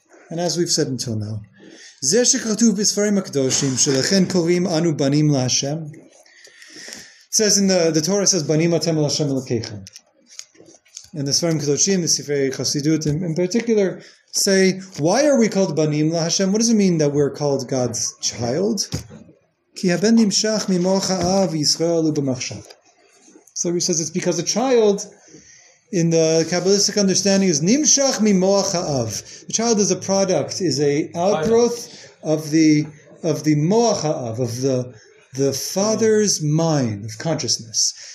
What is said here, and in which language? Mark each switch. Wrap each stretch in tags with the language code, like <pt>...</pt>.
<en>And as we've said until now,</en> <he>זה שכתוב בספרים הקדושים שלכן קוראים אנו בנים להשם.</he> <en>It says in the Torah, it says,</en> <he>בנים אתם להשם אלוקיכם.</he> <en>And the ספרים הקדושים, the ספרי חסידות in particular, say, why are we called בנים להשם? What does it mean that we're called God's child?</en> <he>כי הבן נמשך ממוח האב ישראל ובמחשב.</he> <en>So he says, it's because a child, in the Kabbalistic understanding, is</en> <he>nimshach mimoach ha'av.</he> <en>The child is a product, is a outgrowth of the moach ha'av, of the father's mind, of consciousness.</en>